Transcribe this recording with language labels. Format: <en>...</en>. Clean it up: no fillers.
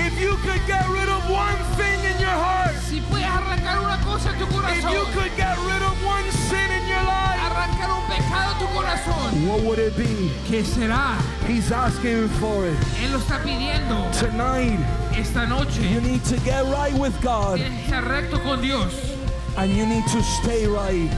<en>if you could get rid of one thing in your heart,</en> <es>si puedes arrancar una cosa en tu corazón,</es> <en>if you could get rid of one sin in your life,</en> <es>arrancar un pecado en tu corazón,</es> <en>what would it be?</en> <es>¿Qué será?</es> <en>He's asking for it.</en> <es>Él lo está pidiendo.</es> <en>Tonight,</en> <es>esta noche,</es> <en>you need to get right with God.</en> <es>Tienes que estar recto con Dios.</es> <en>And you need to stay right.</en>